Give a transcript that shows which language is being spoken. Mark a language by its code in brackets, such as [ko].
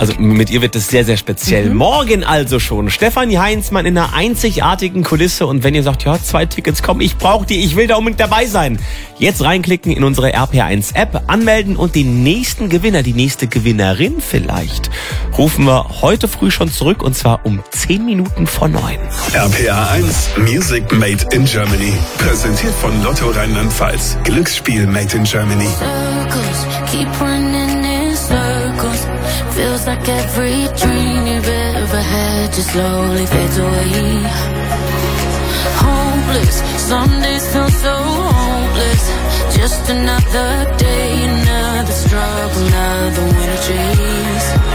[de] Also mit ihr wird es sehr, sehr speziell. Mhm. Morgen also schon. Stefanie Heinzmann in einer einzigartigen Kulisse. Und wenn ihr sagt, ja, 2 Tickets, komm, ich brauche die, ich will da unbedingt dabei sein. Jetzt reinklicken in unsere RPR1-App, anmelden und den nächsten Gewinner, die nächste Gewinnerin vielleicht, rufen wir heute früh schon zurück und zwar um 9:10. RPR1, Music Made in Germany. Präsentiert von Lotto Rheinland-Pfalz. Glücksspiel Made in Germany. [en] Circles, keep running in circles. Feels like every dream you've ever had just slowly fades away. Hopeless, some days feel so hopeless. Just another day, another struggle, another winter chase.